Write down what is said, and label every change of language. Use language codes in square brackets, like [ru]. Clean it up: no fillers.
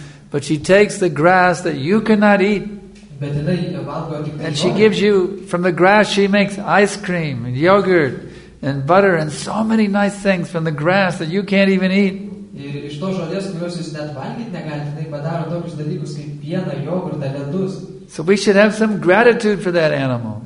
[en] But she takes the grass that you cannot eat, and she gives you, from the grass she makes ice cream and yogurt and butter and so many nice things from the grass that you can't even eat. [lt] tos žodės, kurios jūs net valgyti negalite, tai padaro tokius dalykus kaip pieną, jogurtą, ledus. [en] So we should have some gratitude for that animal.